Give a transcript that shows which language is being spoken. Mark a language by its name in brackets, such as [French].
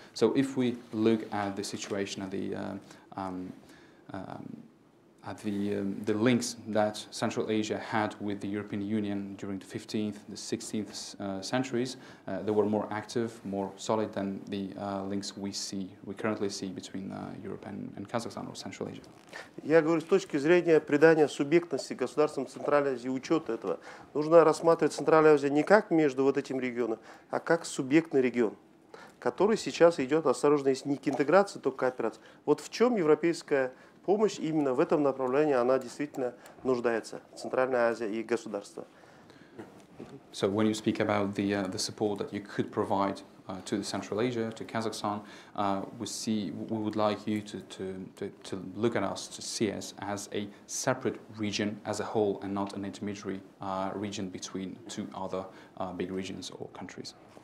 [English] So if we look at the situation at the links that Central Asia had with the European Union during the 15th, the 16th centuries, they were more active, more solid than the links we currently see between Europe and Kazakhstan or Central Asia. [Russian] Я говорю с точки зрения придания субъектности государствам Центральной Азии, учета этого, нужно рассматривать Центральную Азию не как между вот этим регионом, а как субъектный регион, который сейчас идет осторожно, если не к интеграции, то к кооперации. Вот в чем европейская помощь именно в этом направлении, она действительно нуждается, Центральная Азия и государства. [English] So when you speak about the support that you could provide to the Central Asia, to Kazakhstan, we would like you to look at us, to see us as a separate region as a whole and not an intermediary region between two other big regions or countries.